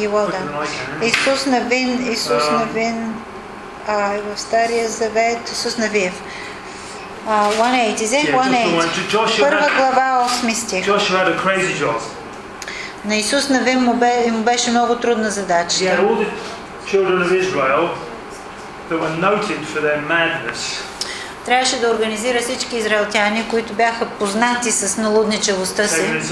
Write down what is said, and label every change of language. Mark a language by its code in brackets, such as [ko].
[en] you well done. [bg] Исус Навин, Исус Навин. В Стария Завет, Исус Навиев. 1:8, [en] is it? [bg] 1:8. Първа глава, 8 стих. [en] Joshua had a crazy job. [bg] На Исус Навин му беше много трудна задача. [en] He had all the children of Israel that were noted for their madness. [bg] Трябваше да организира всички израелтяни, които бяха познати с налудничавостта си.